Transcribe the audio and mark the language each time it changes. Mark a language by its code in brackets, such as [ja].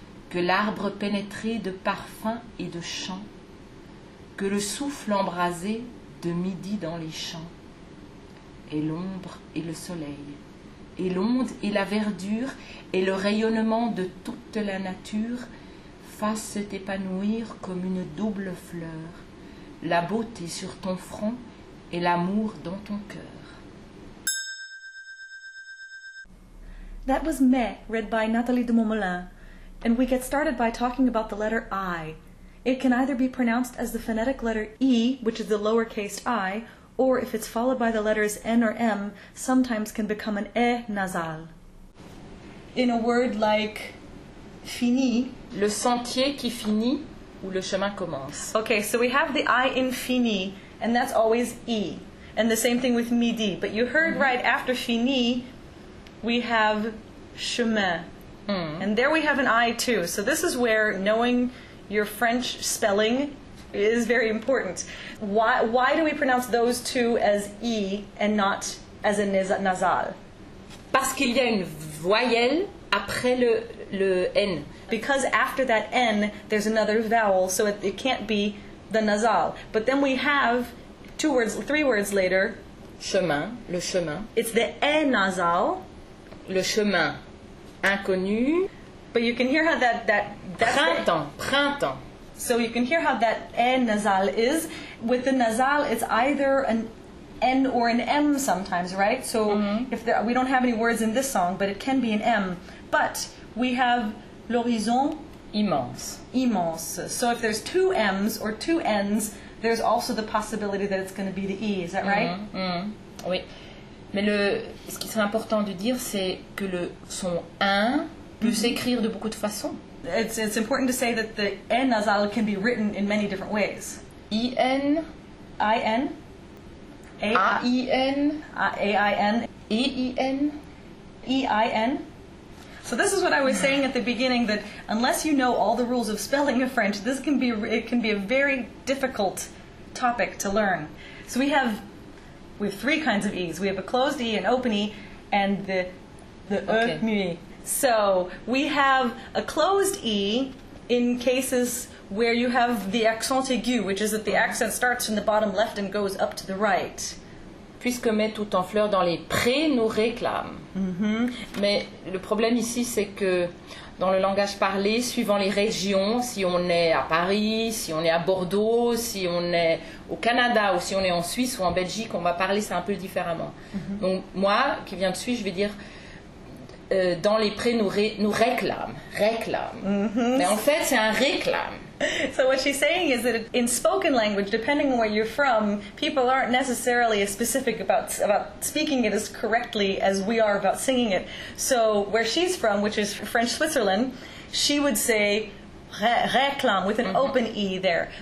[fr] que l'arbre pénétré de parfums et de chants, que le souffle embrasé de midi dans les champs, et l'ombre et le soleil, et l'onde et la verdure, et le rayonnement de toute la nature fassent épanouir comme une double fleur la beauté sur ton front et l'amour dans ton cœur. [en] That was Mai, read by Nathalie de Montmolin, and we get started by talking about the letter I. It can either be pronounced as the phonetic letter E, which is the lowercase I, or if it's followed by the letters N or M, sometimes can become an E nasal. In a word like fini, [fr] le sentier qui finit, ou le chemin commence. [en] Okay, so we have the I in fini, and that's always E. And the same thing with midi. But you heard right after fini, we have chemin. Mm. And there we have an I too. So this is where knowing your French spelling is very important. Why do we pronounce those two as E and not as a nasal? [fr] Parce qu'il y a une voyelle après le N. [en] Because after that N, there's another vowel, so it can't be the nasal. But then we have three words later. [fr] Chemin, le chemin. [en] It's the E nasal. [fr] Le chemin inconnu. [en] But you can hear how that [fr] printemps, printemps. [en] So you can hear how that E nasal is. With the nasal, it's either an N or an M sometimes, right? So if we don't have any words in this song, but it can be an M. But we have l'horizon [fr] immense. Immense. [en] So if there's two M's or two N's, there's also the possibility that it's going to be the E. Is that right? Mm-hmm. Mm-hmm. Oui. [fr] Mais ce qui serait important de dire, c'est que le son 1 peut s'écrire de beaucoup de façons. [en] It's important to say that the N nasal can be written in many different ways. I-N. I-N. A-I-N. A-I-N. E-I-N. E-I-N. So this is what I was saying at the beginning, that unless you know all the rules of spelling of French, this can be, it can be a very difficult topic to learn. So we have three kinds of E's. We have a closed E, an open E, and the okay. E. So we have a closed E in cases where you have the accent aigu, which is that the accent starts from the bottom left and goes up to the right. [fr] Puisque met tout en fleurs dans les prés nous réclament. Mm-hmm. Mais le problème ici, c'est que dans le langage parlé, suivant les régions, si on est à Paris, si on est à Bordeaux, si on est au Canada, ou si on est en Suisse ou en Belgique, on va parler ça un peu différemment. Mm-hmm. Donc moi, qui viens de Suisse, je vais dire dans les prés nous réclament. Réclament. Mm-hmm. Mais en fait, c'est un réclame. [en] So what she's saying is that in spoken language, depending on where you're from, people aren't necessarily as specific about speaking it as correctly as we are about singing it. So where she's from, which is French Switzerland, she would say réclame with an mm-hmm. open E there.